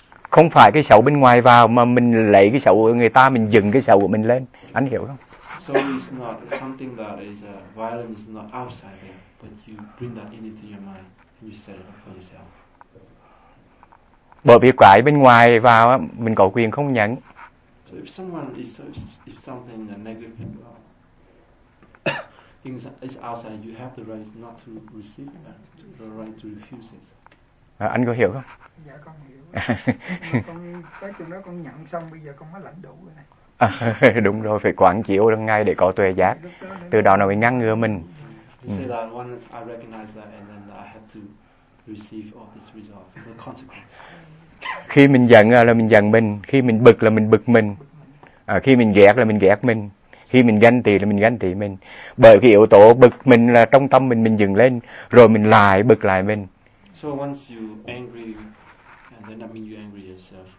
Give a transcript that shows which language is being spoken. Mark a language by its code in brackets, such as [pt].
[vi] Không phải cái xấu bên ngoài vào mà mình lấy cái xấu của người ta, mình dựng cái xấu của mình lên. Anh hiểu không? [en] So it's not something that is violent is not outside there, but you bring that into your mind and you set it up for yourself. [vi] Bởi vì cái bên ngoài vào mình có quyền không nhận. [en] So if someone is if something negative things is outside, you have the right not to receive it, the right to refuse it. [vi] Anh có hiểu không? Dạ con hiểu. Cái chuyện đó con nhận xong, bây giờ con mới lãnh đủ rồi này. Đúng rồi, phải quán chiếu ngay để có tuệ giác. Từ đó nó mới ngăn ngừa mình. [en] You say that when I recognize that and then I have to receive all this result, the consequence. [vi] Khi mình giận là mình giận mình, khi mình bực là mình bực mình. Khi mình ghét là mình ghét mình. Khi mình ganh tị là mình ganh tị mình. Bởi cái yếu tố bực mình là trong tâm mình dừng lên, rồi mình lại bực lại mình. [en] So once you angry, and then that means you angry yourself.